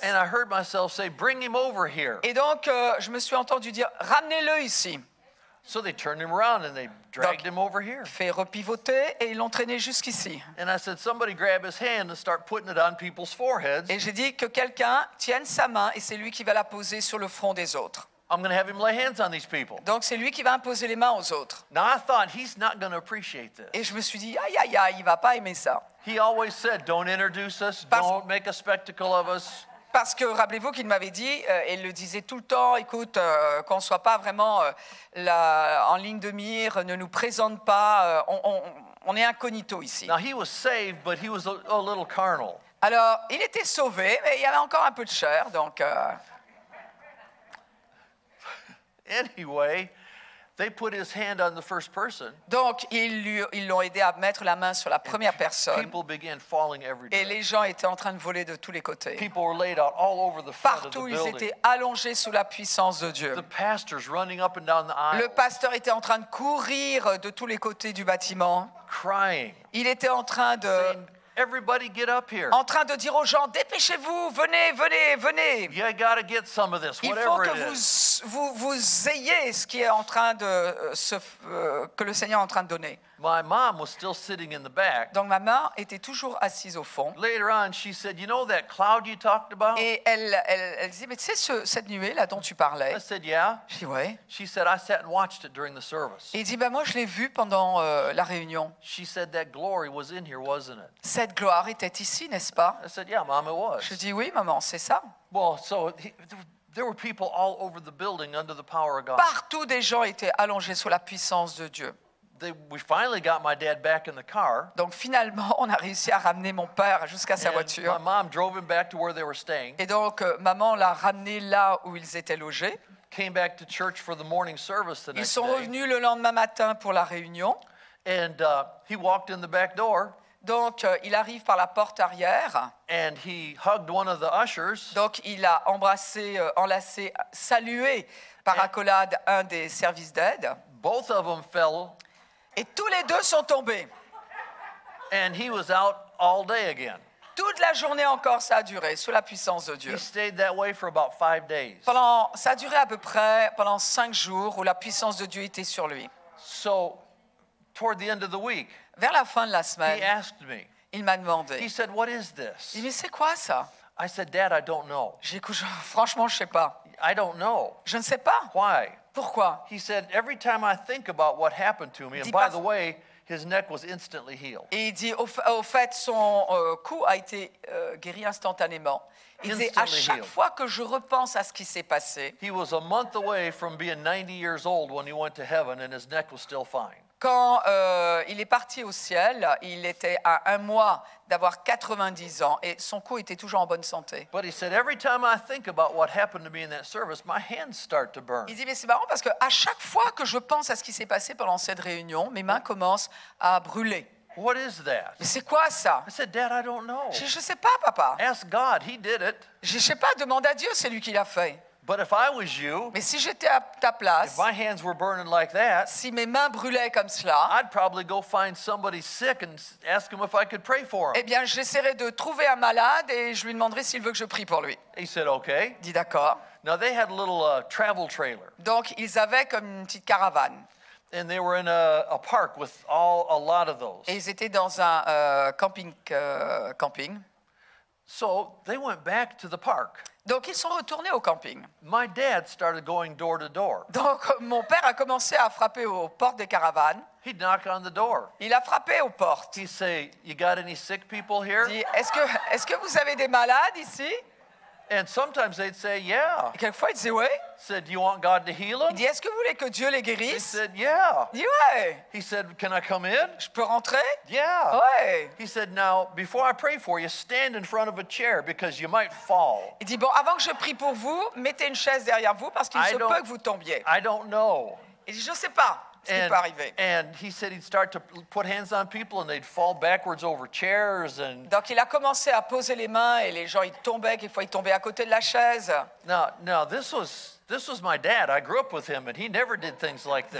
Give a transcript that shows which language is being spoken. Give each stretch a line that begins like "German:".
English: And I heard myself say, "Bring him over here."
French: Et donc je me suis entendu dire, ramenez-le ici.
English: So they turned him around and they dragged
French: donc,
English: him over here.
French: Fait repivoter et ils l'ont traîné jusqu'ici.
English: And I said, "Somebody grab his hand and start putting it on people's foreheads."
French: Et j'ai dit que quelqu'un tienne sa main et c'est lui qui va la poser sur le front des autres.
English: I'm going to have him lay hands on these people.
French: Donc c'est lui qui va imposer les mains aux autres.
English: Now I thought he's not going to appreciate this.
French: Et je me suis dit, aïe, aïe, aïe, il va pas aimer ça.
English: He always said, "Don't introduce us. Don't make a spectacle of us."
French: Parce que rappelez-vous qu'il m'avait dit, il le disait tout le temps, écoute, qu'on soit pas vraiment là en ligne de mire, ne nous présente pas, on est incognito ici.
English: Now he was saved, but he was a little carnal.
French: Alors il était sauvé, mais il y avait encore un peu de chair, donc.
English: Anyway, they put his hand on the first person.
French: Donc ils l'ont aidé à mettre la main sur la première personne.
English: People began falling every day.
French: Et les gens étaient en train de voler de tous les côtés.
English: People were laid out all over the front of the building.
French: Partout ils étaient allongés sous la puissance de Dieu.
English: The pastors running up and down the aisles.
French: Le pasteur était en train de courir de tous les côtés du bâtiment.
English: Crying.
French: Il était en train de
English: Everybody get up here.
French: En train de dire aux gens, dépêchez-vous, venez, venez, venez.
English: You gotta get some of this, whatever
French: Il faut que
English: it is.
French: Vous ayez ce qui est en train de que le Seigneur est en train de donner.
English: My mom was still sitting in the back.
French: Donc ma mère était toujours assise au fond.
English: Later on, she said, "You know that cloud you talked about?"
French: Et elle disait, mais tu sais cette nuée là dont tu parlais?
English: I said, "Yeah."
French: Je dis, ouais.
English: She said, "I sat and watched it during the service."
French: Et dit, ben moi je l'ai vu pendant la réunion.
English: She said, "That glory was in here, wasn't it?"
French: Cette gloire était ici, n'est-ce pas?
English: I said, "Yeah, mom, it was."
French: Je dis, oui, maman, c'est ça.
English: Well, so there were people all over the building under the power of God.
French: Partout des gens étaient allongés sous la puissance de Dieu.
English: We finally got my dad back in the car.
French: Donc finalement, on a réussi à ramener mon père jusqu'à sa voiture.
English: My mom drove him back to where they were staying.
French: Et donc maman l'a ramené là où ils étaient logés.
English: Came back to church for the morning service the next day.
French: Ils sont revenus le lendemain matin pour la réunion.
English: And he walked in the back door.
French: Donc il arrive par la porte arrière.
English: And he hugged one of the ushers.
French: Donc il a embrassé, enlacé, salué par accolade un des services d'aide.
English: Both of them fell.
French: Et tous les deux sont tombés.
English: And he was out all day again.
French: Toute la journée encore, ça a duré, sous la puissance de Dieu.
English: He stayed that way for about 5 days.
French: Ça a duré à peu près pendant 5 jours où la puissance de Dieu était sur lui.
English: So, toward the end of the week,
French: vers la fin de la semaine,
English: he asked me,
French: il m'a demandé,
English: he said, "What is this?"
French: Il me dit, c'est quoi ça?
English: I said, "Dad, I don't know."
French: J'ai dit, franchement, je ne sais pas.
English: I don't know.
French: Je ne sais pas.
English: Why?
French: Pourquoi?
English: He said, "Every time I think about what happened to me, and by the way, his neck was instantly healed."
French: Et il dit, au fait, son cou a été guéri instantanément. Il dit, à chaque fois que je repense à ce qui s'est passé,
English: he was a month away from being 90 years old when he went to heaven, and his neck was still fine.
French: Quand il est parti au ciel, il était à un mois d'avoir 90 ans et son cou était toujours en bonne santé.
English: But he said, "Every time I think about what happened to me in that service, my hands start to burn."
French: Il dit, mais c'est marrant parce que à chaque fois que je pense à ce qui s'est passé pendant cette réunion, mes mains commencent à brûler.
English: What is that?
French: Mais c'est quoi ça?
English: I said, "Dad, I don't know."
French: Je sais pas, papa.
English: Ask God, he did it.
French: Je sais pas, demande à Dieu, c'est lui qui l'a fait.
English: But if I was you,
French: mais si j'étais à ta place,
English: if my hands were burning like that,
French: si mes mains brûlaient comme cela,
English: I'd probably go find somebody sick and ask him if I could pray for him.
French: Eh bien, j'essaierais de trouver un malade et je lui demanderais s'il veut que je prie pour lui.
English: He said, "Okay."
French: Dit d'accord.
English: Now they had a little travel trailer.
French: Donc ils avaient comme une petite caravane.
English: And they were in a park with a lot of those.
French: Et ils étaient dans un camping.
English: So they went back to the park.
French: Donc ils sont retournés au camping.
English: My dad started going door to door.
French: Donc mon père a commencé à frapper aux portes des caravanes.
English: He'd knock on the door.
French: Il a frappé aux portes.
English: He'd say, "You got any sick people here?"
French: Dit, est-ce que vous avez des malades ici?
English: And sometimes they'd say, "Yeah."
French: Et quelquefois ils disaient oui.
English: Said, "Do you want God to heal them?"
French: Il dit, est-ce que vous voulez que Dieu les guérisse?
English: He said, "Yeah."
French: Dit, ouais.
English: He said, "Can I come in?"
French: Je peux rentrer?
English: Yeah.
French: Ouais.
English: He said, "Now, before I pray for you, stand in front of a chair because you might fall."
French: Il dit, bon, avant que je prie pour vous, mettez une chaise derrière vous parce qu'il se peut que vous tombiez.
English: I don't know.
French: Il dit, je sais pas.
English: And he said he'd start to put hands on people and they'd fall backwards over chairs and.
French: Donc il a commencé à poser les mains et les gens ils tombaient, quelquefois ils tombaient à côté de la chaise.
English: Now this was my dad. I grew up with him and he never did things like this.